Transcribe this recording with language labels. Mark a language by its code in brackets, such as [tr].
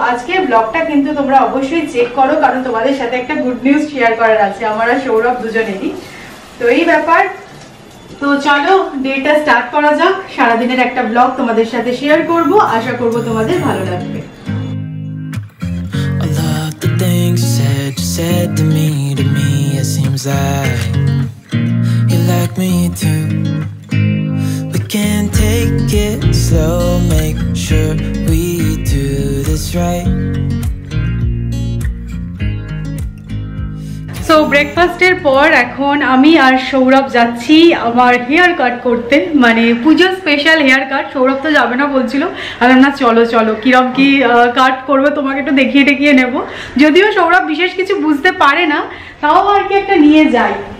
[bn] আজকে ব্লগটা কিন্তু তোমরা অবশ্যই চেক করো, কারণ তোমাদের সাথে একটা গুড নিউজ শেয়ার করার আছে আমার আর সৌরভ দুজনেরই। তো এই ব্যাপার, তো চলো ডেটা স্টার্ট করা যাক, সারাদিনের একটা ব্লগ তোমাদের সাথে শেয়ার করব, আশা করব তোমাদের ভালো লাগবে। [en] All of the things you said, you said to me, it seems like you like me too. We can take it slow, make sure we do this right. [bn] So ব্রেকফাস্টের পর এখন আমি আর সৌরভ যাচ্ছি আমার হেয়ার কাট করতে, মানে পুজোর special hair cut. Sourav তো যাবে না বলছিলো, আর না চলো চলো কীরকম কী কাট করবে তোমাকে একটু দেখিয়ে টেকিয়ে নেব, যদিও সৌরভ বিশেষ কিছু বুঝতে পারে না, তাও আর কি একটা নিয়ে যাই।